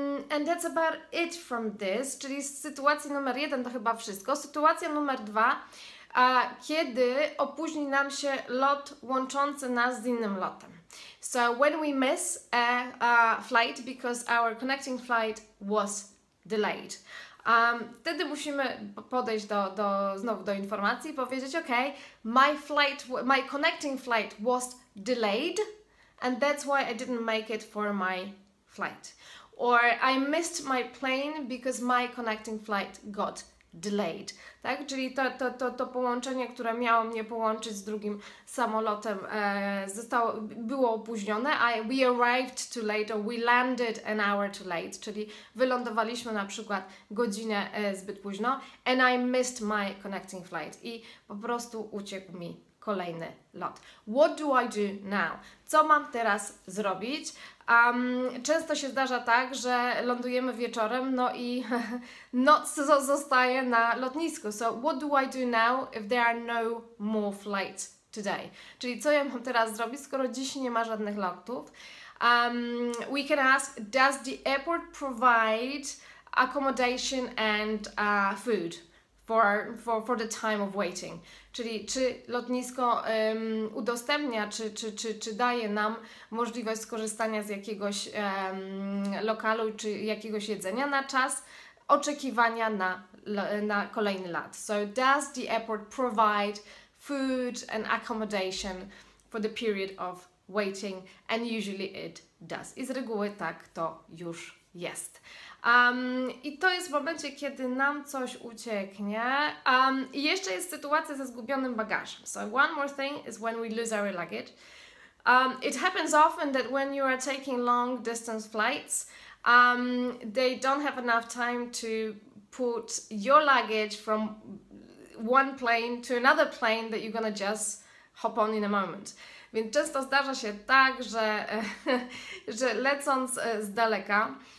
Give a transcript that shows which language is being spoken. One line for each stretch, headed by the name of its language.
English: And that's about it from this.
Polish: Czyli z sytuacji numer jeden to chyba wszystko. Sytuacja numer dwa, kiedy opóźni nam się lot łączący nas z innym lotem.
English: So when we miss a flight because our connecting flight was delayed.
Polish: Wtedy musimy podejść znowu do informacji i powiedzieć, OK,
English: my connecting flight was delayed and that's why I didn't make it for my flight. Or I missed my plane because my connecting flight got delayed.
Polish: Tak? Czyli to połączenie, które miało mnie połączyć z drugim samolotem, było opóźnione.
English: We arrived too late, or we landed an hour too late.
Polish: Czyli wylądowaliśmy na przykład godzinę zbyt późno.
English: And I missed my connecting flight.
Polish: I po prostu uciekł mi kolejny lot.
English: What do I do now?
Polish: Co mam teraz zrobić? Często się zdarza tak, że lądujemy wieczorem, no i noc zostaje na lotnisku.
English: So, what do I do now if there are no more flights today?
Polish: Czyli co ja mam teraz zrobić, skoro dziś nie ma żadnych lotów?
English: We can ask, does the airport provide accommodation and food for the time of waiting?
Polish: Czyli czy lotnisko udostępnia, czy daje nam możliwość skorzystania z jakiegoś lokalu, czy jakiegoś jedzenia na czas oczekiwania na kolejny lat.
English: So, does the airport provide food and accommodation for the period of waiting? And usually it does.
Polish: I z reguły tak to już jest. I to jest w momencie, kiedy nam coś ucieknie. I jeszcze jest sytuacja ze zgubionym bagażem.
English: So one more thing is when we lose our luggage. It happens often that when you are taking long distance flights, they don't have enough time to put your luggage from one plane to another plane that you're gonna just hop on in a moment.
Polish: Więc często zdarza się tak, że lecąc z daleka,